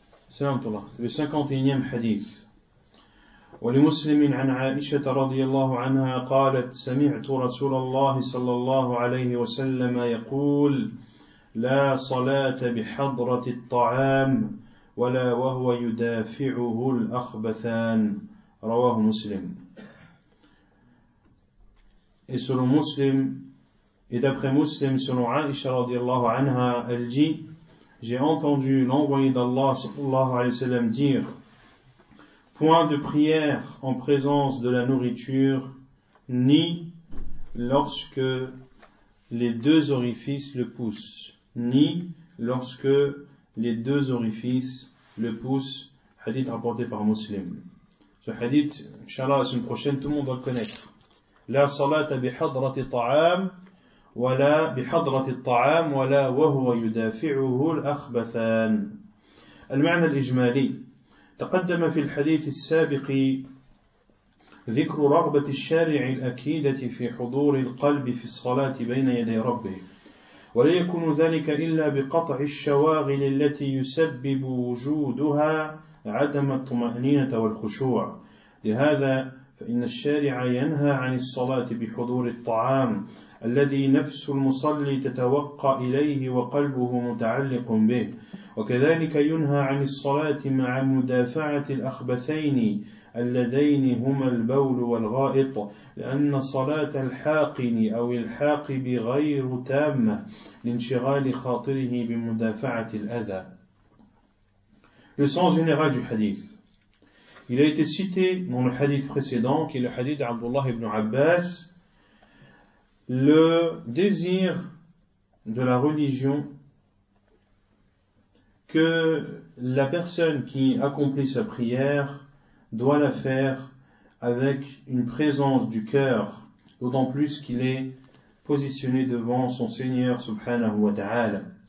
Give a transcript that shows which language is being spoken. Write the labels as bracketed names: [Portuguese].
[Arabic] سلام الله. بالسنكونتينيام حديث. ولمسلم عن عائشة رضي الله عنها قالت سمعت رسول الله صلى الله عليه وسلم يقول لا صلاة بحضرة الطعام ولا وهو يدافعه الأخبثان. رواه مسلم. [French] Et selon Muslim, et d'après Muslim, selon Aisha radiallahu anha, elle dit, j'ai entendu l'envoyé d'Allah sallallahu alayhi wa sallam dire, point de prière en présence de la nourriture, ni lorsque les deux orifices le poussent, ni lorsque les deux orifices le poussent, hadith rapporté par Muslim. Ce hadith, inshallah, la semaine prochaine, tout le monde doit le connaître. [Arabic] لا صلاة بحضرة طعام ولا بحضرة الطعام ولا وهو يدافعه الأخبثان. المعنى الإجمالي: تقدم في الحديث السابق ذكر رغبة الشارع الأكيدة في حضور القلب في الصلاة بين يدي ربه، ولا يكون ذلك إلا بقطع الشواغل التي يسبب وجودها عدم الطمأنينة والخشوع. لهذا فإن الشارع ينهى عن الصلاة بحضور الطعام الذي نفس المصلي تتوقع إليه وقلبه متعلق به، وكذلك ينهى عن الصلاة مع مدافعة الأخبثين اللذين هما البول والغائط، لأن صلاة الحاقن أو الحاقب غير تامة لانشغال خاطره بمدافعة الأذى. [French] Le sens général du hadith. Il a été cité dans le hadith précédent, qui est le hadith d'Abdullah ibn Abbas, le désir de la religion que la personne qui accomplit sa prière doit la faire avec une présence du cœur, d'autant plus qu'il est positionné devant son Seigneur subhanahu wa ta'ala.